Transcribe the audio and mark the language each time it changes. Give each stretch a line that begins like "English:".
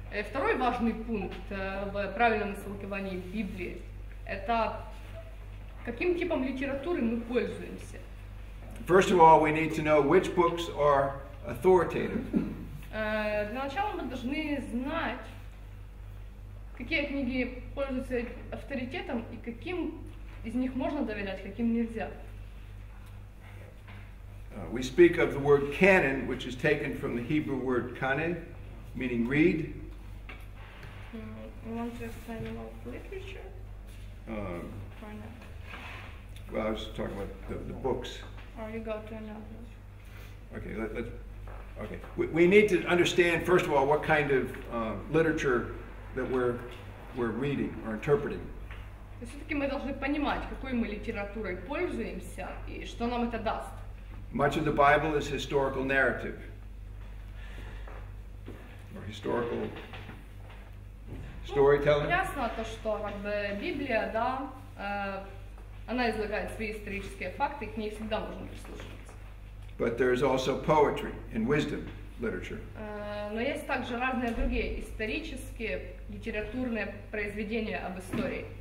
Russian: Второй важный пункт в правильном истолковании Библии – это каким типом литературы мы пользуемся.
English: First of all, we need to know which books are authoritative.
Russian: Для начала мы должны знать, какие книги пользуются авторитетом и каким из них можно доверять, каким нельзя.
English: We speak of the word canon, which is taken from the Hebrew word kanon, meaning read. You want to explain about literature? Well, I was talking about the books. Or you go to another. Okay, okay. We need to understand, first of all, what kind of literature that we're reading or interpreting.
Russian: Все-таки мы должны понимать, какой мы литературой пользуемся и что нам это даст.
English: Much of the Bible is historical narrative. Or historical... Storytelling.
Russian: Ясно то, что как бы Библия, да, она излагает свои исторические факты, к ней всегда можно прислушиваться.
English: But there is also poetry and wisdom literature.
Russian: Но есть также разные другие исторические литературные произведения об истории.